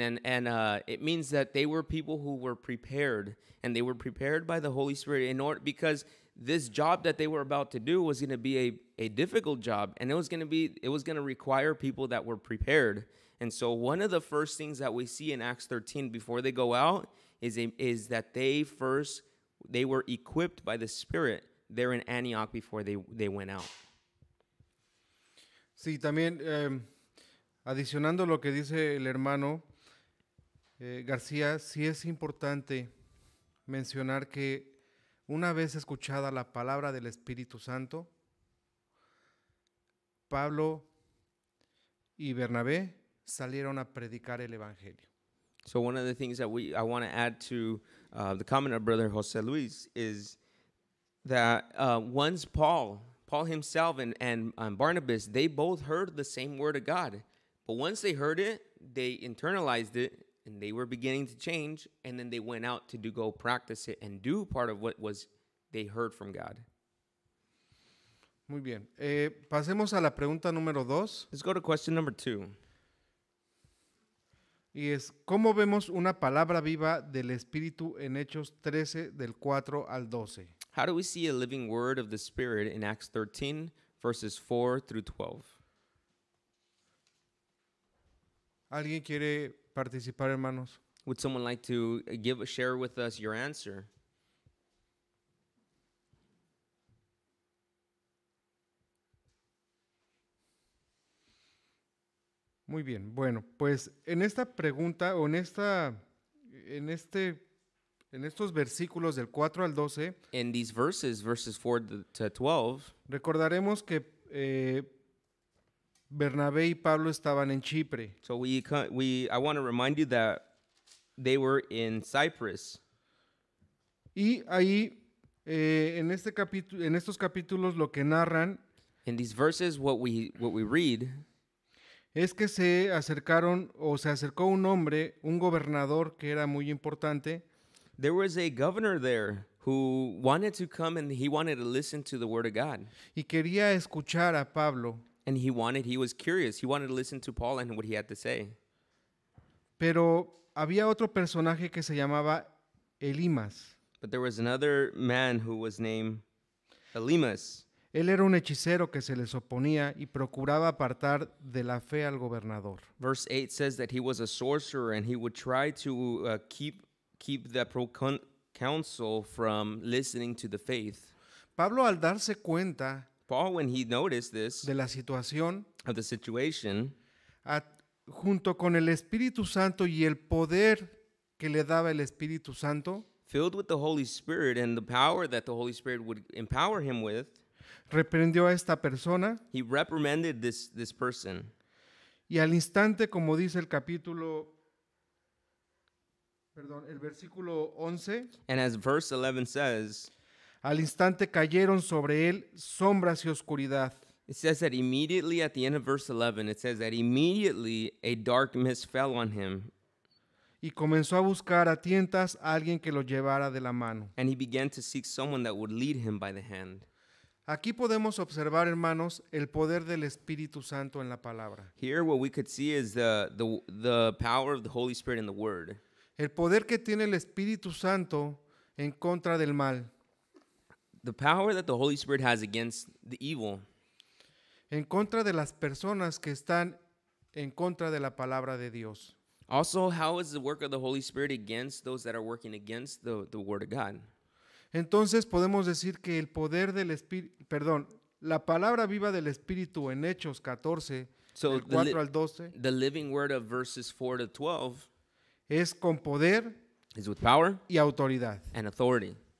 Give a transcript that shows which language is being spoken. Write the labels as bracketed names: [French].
[English] And it means that they were people who were prepared, and they were prepared by the Holy Spirit because this job that they were about to do was going to be a difficult job, and it was going to require people that were prepared. And so one of the first things that we see in Acts 13 before they go out is that they were equipped by the Spirit there in Antioch before they went out. [Spanish] Sí, también... Adicionando lo que dice el hermano García, sí es importante mencionar que una vez escuchada la palabra del Espíritu Santo, Pablo y Bernabé salieron a predicar el Evangelio. [English] So one of the things that I want to add to the comment of Brother José Luis is that once Paul himself and Barnabas, they both heard the same word of God. But once they heard it, they internalized it, and they were beginning to change, and then they went out to go practice it and do part of what was they heard from God. [Spanish] Muy bien. Pasemos a la pregunta número dos. [English] Let's go to question number two. [Spanish] Y es, ¿cómo vemos una palabra viva del Espíritu en Hechos 13, del 4 al 12? [English] How do we see a living word of the Spirit in Acts 13, verses 4 through 12? [Spanish] ¿Alguien quiere participar, hermanos? [English] Would someone like to share with us your answer? [Spanish] Muy bien. Bueno, pues en esta pregunta o en estos versículos del 4 al 12, [English] in these verses 4 to 12, [Spanish] recordaremos que Bernabé y Pablo estaban en Chipre. [English] So I want to remind you that they were in Cyprus. [Spanish] Y ahí, en estos capítulos, lo que narran. [English] In these verses, what we read. [Spanish] Es que se acercó un hombre, un gobernador que era muy importante. [English] There was a governor there who wanted to come and he wanted to listen to the word of God. [Spanish] Y quería escuchar a Pablo. [English] And he was curious. He wanted to listen to Paul and what he had to say. [Spanish] Pero había otro personaje que se llamaba Elimas. [English] But there was another man who was named Elimas. [Spanish] Él era un hechicero que se les oponía y procuraba apartar de la fe al gobernador. [English] Verse 8 says that he was a sorcerer and he would try to keep the council from listening to the faith. [Spanish] Pablo, al darse cuenta... [English] Paul, when he noticed this, [Spanish] de la situación, [English] of the situation, [Spanish] junto con el Espíritu Santo y el poder que le daba el Espíritu Santo, [English] filled with the Holy Spirit and the power that the Holy Spirit would empower him with, [Spanish] reprendió a esta persona. [English] He reprimanded this person. [Spanish] Y al instante, como dice el capítulo, perdón, el versículo 11, [English] and as verse 11 says, [Spanish] al instante cayeron sobre él sombras y oscuridad. [English] It says that immediately at the end of verse 11, it says that immediately a dark mist fell on him. [Spanish] Y comenzó a buscar a tientas a alguien que lo llevara de la mano. [English] And he began to seek someone that would lead him by the hand. [Spanish] Aquí podemos observar, hermanos, el poder del Espíritu Santo en la palabra. [English] Here what we could see is the power of the Holy Spirit in the word. [Spanish] El poder que tiene el Espíritu Santo en contra del mal. [English] The power that the Holy Spirit has against the evil. [Spanish] En contra de las personas que están en contra de la palabra de Dios. [English] Also, how is the work of the Holy Spirit against those that are working against the word of God? [Spanish] Entonces podemos decir que el poder del Espíritu, perdón, la palabra viva del Espíritu en Hechos 14, so del 4 al 12, [English] the living word of verses 4 to 12, [Spanish] es con poder, [English] is with power, [Spanish] y autoridad, [English] and authority.